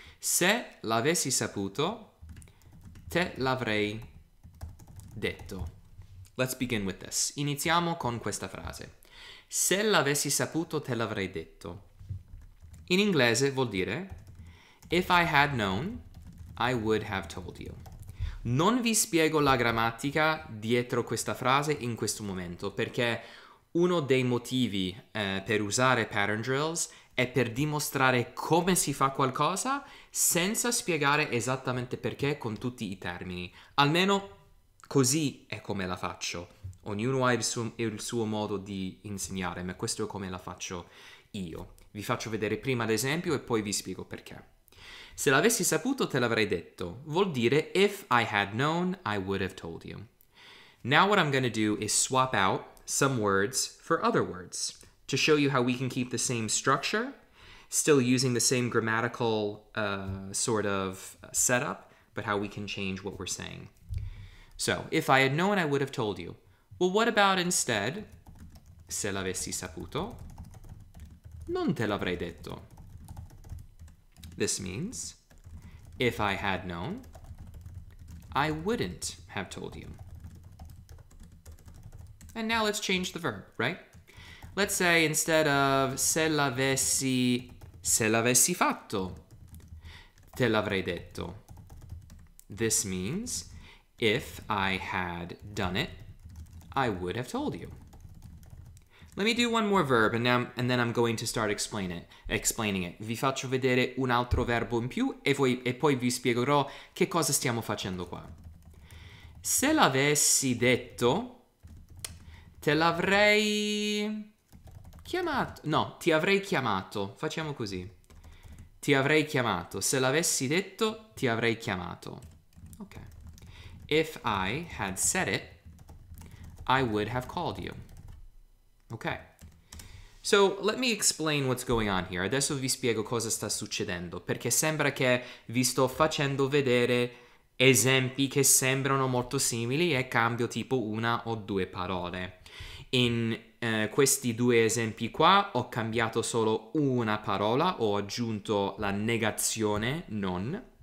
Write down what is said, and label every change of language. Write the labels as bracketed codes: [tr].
[it] Se l'avessi saputo, te l'avrei detto. [en] Let's begin with this. [it] Iniziamo con questa frase. Se l'avessi saputo, te l'avrei detto. In inglese vuol dire [en] If I had known, I would have told you. [it] Non vi spiego la grammatica dietro questa frase in questo momento, perché uno dei motivi per usare pattern drills è per dimostrare come si fa qualcosa senza spiegare esattamente perché con tutti I termini. Almeno così è come la faccio. Ognuno ha il suo modo di insegnare, ma questo è come la faccio io. Vi faccio vedere prima l'esempio e poi vi spiego perché. Se l'avessi saputo, te l'avrei detto. Vuol dire, [en] if I had known, I would have told you. Now what I'm going to do is swap out some words for other words to show you how we can keep the same structure, still using the same grammatical sort of setup, but how we can change what we're saying. So, if I had known, I would have told you. Well, what about instead, [it] se l'avessi saputo, non te l'avrei detto. [en] This means, if I had known, I wouldn't have told you. And now let's change the verb, right? Let's say instead of [it] se l'avessi fatto, te l'avrei detto. [en] This means, if I had done it, I would have told you. Let me do one more verb and then I'm going to start explaining it. [it] Vi faccio vedere un altro verbo in più e poi vi spiegherò che cosa stiamo facendo qua. Se l'avessi detto, te l'avrei chiamato. No, ti avrei chiamato. Facciamo così. Ti avrei chiamato. Se l'avessi detto, ti avrei chiamato. Ok. [en] If I had said it, I would have called you. Okay. So let me explain what's going on here. [it] Adesso vi spiego cosa sta succedendo, perché sembra che vi sto facendo vedere esempi che sembrano molto simili e cambio tipo una o due parole. In questi due esempi qua ho cambiato solo una parola, ho aggiunto la negazione non.